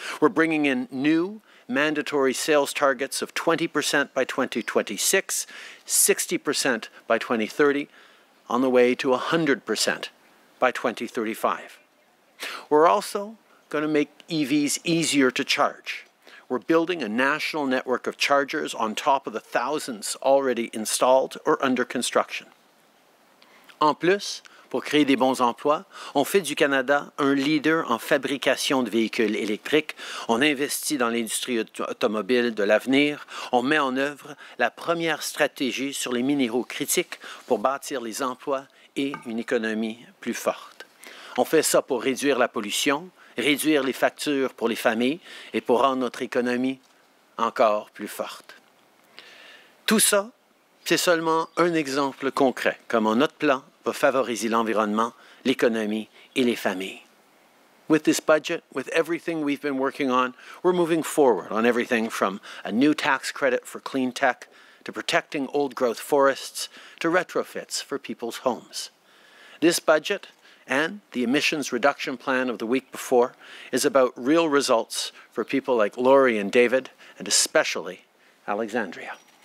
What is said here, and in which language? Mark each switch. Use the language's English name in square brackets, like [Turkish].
[English] We're bringing in new mandatory sales targets of 20% by 2026, 60% by 2030, on the way to 100% by 2035. We're also going to make EVs easier to charge. We're building a national network of chargers on top of the thousands already installed or under construction. [French] En plus, pour créer des bons emplois, on fait du Canada un leader en fabrication de véhicules électriques. On investit dans l'industrie automobile de l'avenir. On met en œuvre la première stratégie sur les minéraux critiques pour bâtir les emplois et une économie plus forte. On fait ça pour réduire la pollution, réduire les factures pour les familles et pour rendre notre économie encore plus forte. Tout ça, c'est seulement un exemple concret, comme en notre plan, va favoriser l'environnement, l'économie et les familles. [English] With this budget, with everything we've been working on, we're moving forward on everything from a new tax credit for clean tech, to protecting old growth forests, to retrofits for people's homes. This budget and the emissions reduction plan of the week before is about real results for people like Lori and David, and especially Alexandria.